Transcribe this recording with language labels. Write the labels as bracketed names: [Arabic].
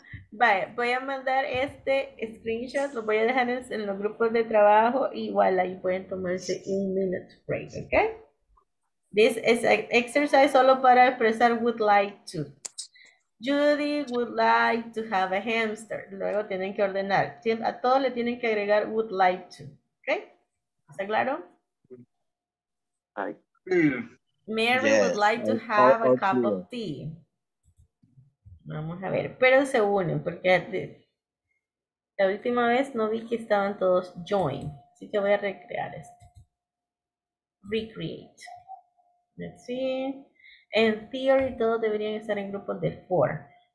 [Spanish] Vale, voy a mandar este screenshot, lo voy a dejar en los grupos de trabajo, igual ahí pueden tomarse un [English] minute break, [Spanish] ¿ok? [English] This is an exercise [Spanish] solo para expresar [English] would like to. Judy would like to have a hamster. [Spanish] Luego tienen que ordenar. A todos le tienen que agregar [English] would like to. [Spanish] ¿Ok? ¿Está claro? [English] Mary would like to have a cup of tea. [Spanish] Vamos a ver, pero se unen porque la última vez no vi que estaban todos join. Así que voy a recrear esto. [English] Recreate. Let's see. [Spanish] En theory, todos deberían estar en grupos de 4.